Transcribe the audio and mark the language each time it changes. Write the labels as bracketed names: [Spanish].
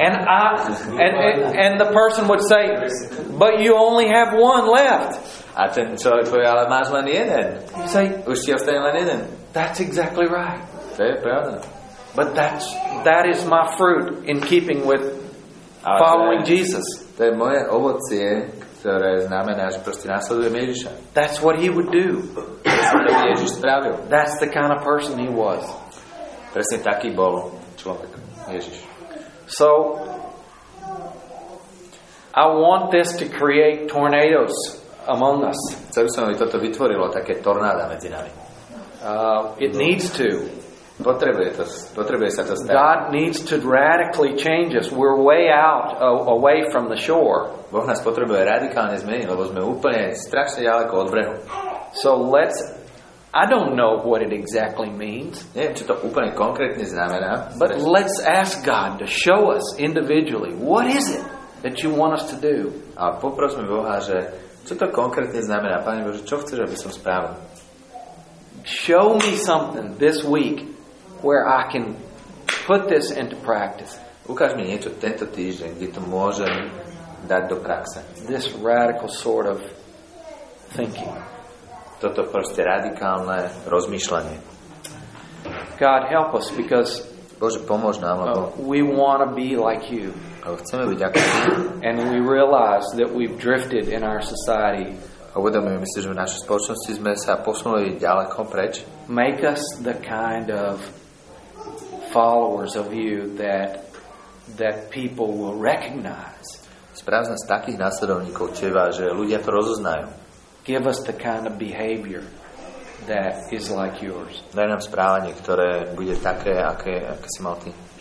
[English] And the person would say, but you only have one left. [Slovak] A ten človek povie, ale máš len jeden. [English] Say, [Slovak] už ti ostane len jeden. [English] That's exactly right. [Slovak] To je pravda. [English] But that is my fruit in keeping with following Jesus. [Slovak] To je moje ovocie, ktoré znamená, že proste nasledujem Ježiša. [English] That's what he would do. [Slovak] To je to, čo Ježiš spravil. [English] That's the kind of person he was. [Slovak] Presne taký bol človek Ježiš. [English] So I want this to create tornadoes among us. [Slovak] Chcel by som, aby toto vytvorilo také tornáda medzi nami. [English] It needs to. [Slovak] Potrebuje sa to stať. [English] God needs to radically change us. We're way out, away from the shore. [Slovak] Boh nás potrebuje radikálne zmeniť, lebo sme úplne strašne ďaleko od brehu. [English] So let's, I don't know what it exactly means. [Slovak] Neviem, čo to úplne konkrétne znamená. [English] But let's ask God to show us individually. What is it that you want us to do? [Slovak] A poprosme Boha, že čo to konkrétne znamená? Pane Bože, čo chceš, aby som spravil? [English] Show me something this week where I can put this into practice. [Slovak] Ukáž mi niečo tento týždeň, kde to môžem dať do praxe. [English] This radical sort of thinking. [Slovak] Toto proste radikálne rozmýšľanie. [English] God help us because [Slovak] Bože, pomôž nám, lebo [English] we want to be like you. [Slovak] Lebo chceme byť ako ty. [English] And we realize that we've drifted in our society. [Slovak] A uvedomujeme si, že v našej spoločnosti sme sa posunuli ďaleko preč. [English] Make us the kind of followers of you that people will recognize. [Slovak] Sprav z nás takých následovníkov teba, že ľudia to rozoznajú. [English] Give us the kind of behavior that is like yours. [Slovak] Daj nám správanie, ktoré bude také, aké si mal ty.